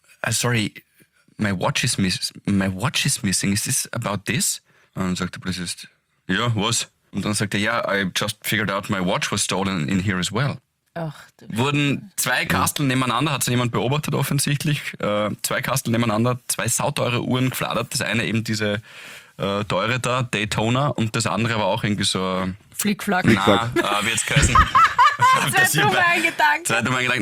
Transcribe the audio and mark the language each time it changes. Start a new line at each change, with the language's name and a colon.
English: Sorry, my watch is missing, is this about this?
German: Und dann sagt der Polizist, ja, was? Und dann sagt er,
English: I just figured out my watch was stolen in here as well.
German: Ach, du wurden zwei Kasteln nebeneinander, hat es jemand beobachtet offensichtlich, zwei Kasteln nebeneinander, zwei sauteure Uhren gefladert, das eine eben diese teure da, Daytona, und das andere war auch irgendwie so Flickflack. Wird es geheißen. Das war mein Gedanke.